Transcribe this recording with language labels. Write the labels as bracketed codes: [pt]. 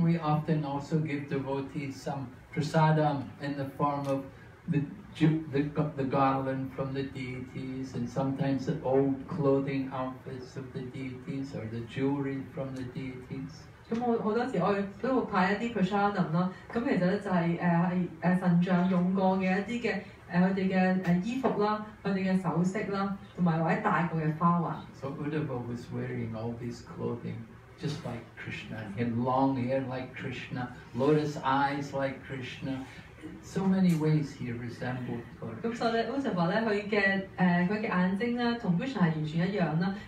[en] We often also give devotees some prasadam in the form of the garland from the deities, and sometimes the old clothing outfits of the deities or the jewelry from the deities. [yue] 咁我好多時我都會派一啲 prasadam 啦。咁其實咧就係神像用過嘅一啲嘅。佢哋嘅衣服啦，佢哋嘅首飾啦，同埋或者戴過嘅花環。 [en] So Uddhava was wearing all these clothing just like Krishna. He had long hair like Krishna, lotus eyes like Krishna. So many ways he resembled Lord. [yue] 咁所以咧 ，Uddhava 咧，佢嘅眼睛咧，同 Krishna 係完全一樣啦。